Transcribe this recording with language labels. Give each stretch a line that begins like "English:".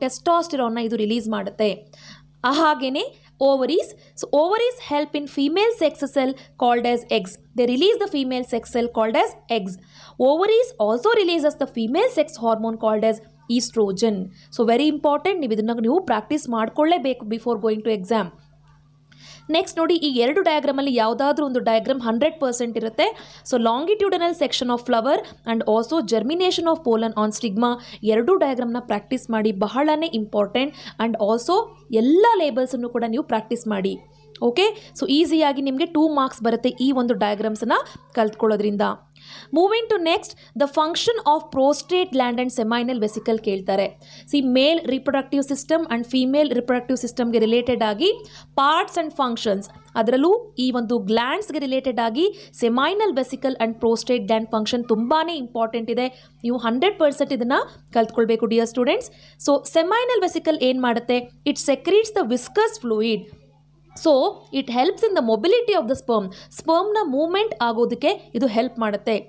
Kannada: Testosterone na idu release madate. Ahagene ovaries.
English: So ovaries help in female sex cell called as eggs. They release the female sex cell called as eggs. Ovaries also releases the female sex hormone called as estrogen. So very important,
Kannada: nividanna neevu practice maadkollebeku
English: before going to exam.
Kannada: Next ನೋಡಿ, ಈ ಎರಡು ಡಯಾಗ್ರಾಮಲ್ಲಿ ಯಾವುದಾದ್ರೂ ಒಂದು diagram 100% ಇರುತ್ತೆ.
English: so longitudinal section of flower and also germination of pollen on stigma,
Kannada: ಎರಡು ಡಯಾಗ್ರಾಮ್ನ practice ಮಾಡಿ, ಬಹಳನೇ important. And also ಎಲ್ಲ ಲೇಬಲ್ಸನ್ನು ಕೂಡ ನೀವು ಪ್ರಾಕ್ಟೀಸ್ ಮಾಡಿ. ಓಕೆ, ಸೊ ಈಸಿಯಾಗಿ ನಿಮಗೆ 2 marks ಬರುತ್ತೆ ಈ ಒಂದು ಡಯಾಗ್ರಾಮ್ಸನ್ನು ಕಲ್ತ್ಕೊಳ್ಳೋದ್ರಿಂದ.
English: Moving to next, the function of prostate gland and seminal vesicle keltare. See, male reproductive system and female reproductive system ge related agi parts and functions.
Kannada: ಅದರಲ್ಲೂ ಈ ಒಂದು ಗ್ಲ್ಯಾಂಡ್ಸ್ಗೆ ರಿಲೇಟೆಡ್ ಆಗಿ ಸೆಮೈನಲ್ vesicle and prostate gland function ತುಂಬಾ important ಇದೆ. ನೀವು 100% ಇದನ್ನು ಕಲ್ತ್ಕೊಳ್ಬೇಕು dear students. So ಸೆಮೈನಲ್ vesicle ಏನು ಮಾಡುತ್ತೆ,
English: It secretes the viscous fluid. So it helps in the mobility of the sperm.
Kannada: ಸ್ಪರ್ಮ್ನ movement ಆಗೋದಕ್ಕೆ ಇದು ಹೆಲ್ಪ್ ಮಾಡುತ್ತೆ.